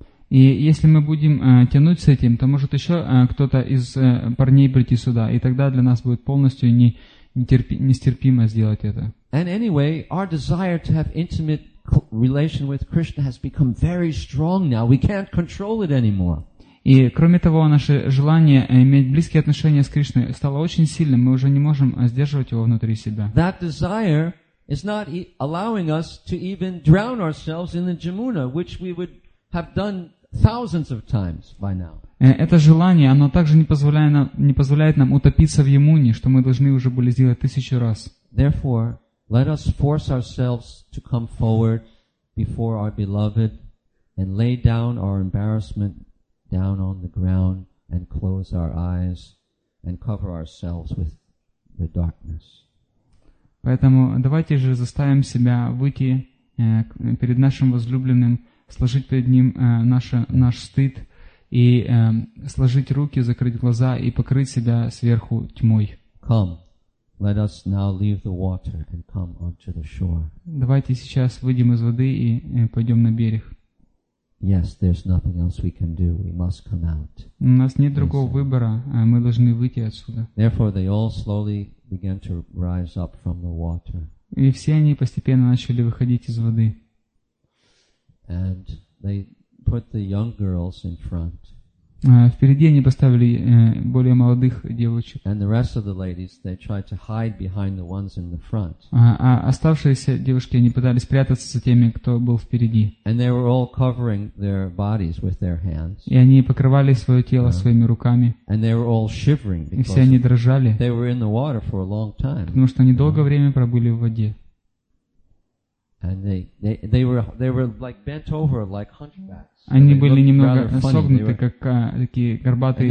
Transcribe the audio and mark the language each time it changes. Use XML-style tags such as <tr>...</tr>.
<ru>И если мы будем тянуть с этим, то может еще кто-то из парней прийти сюда, и тогда для нас будет полностью нестерпимо сделать это.</ru> <en>And anyway, our desire to have intimate relation with Krishna has become very strong now. We can't control it anymore.</en> <ru>И кроме того, наше желание иметь близкие отношения с Кришной стало очень сильным. Мы уже не можем сдерживать его внутри себя.</ru> <en>That desire is not allowing us to even drown ourselves in the Jamuna, which we would have done thousands of times by now.</en> <ru>Это желание, оно также не позволяет нам утопиться в Ямуне, что мы должны уже были сделать тысячу раз.</ru> <en>Therefore, let us force ourselves to come forward before our beloved and lay down our embarrassment down on the ground and close our eyes and cover ourselves with the darkness.</en> <ru>Поэтому давайте же заставим себя выйти перед нашим возлюбленным, сложить перед ним наш стыд и сложить руки, закрыть глаза и покрыть себя сверху тьмой.</ru> <en>Come, let us now leave the water and come onto the shore.</en> <ru>Давайте сейчас выйдем из воды и пойдем на берег.</ru> <en>Yes, there's nothing else we can do. We must come out.</en> <ru>У нас нет другого выбора, а мы должны выйти отсюда.</ru> <en>Therefore, they all slowly began to rise up from the water.</en> <ru>И все они постепенно начали выходить из воды.</ru> <en>And they put the young girls in front.</en> <ru>Впереди они поставили более молодых девочек.</ru> <en>And the rest of the ladies, they tried to hide behind the ones in the front.</en> <ru>А оставшиеся девушки, они пытались спрятаться за теми, кто был впереди.</ru> <en>And they were all covering their bodies with their hands.</en> <ru>И они покрывали свое тело своими руками.</ru> <en>And they were all shivering because</en> <ru>и все они дрожали.</ru> <en>They were in the water for a long time.</en> <ru>Потому что они долгое время пробыли в воде.</ru> <en>And they were like bent over like hunchbacks.</en> <ru>Они были немного согнуты, как такие горбатые</ru>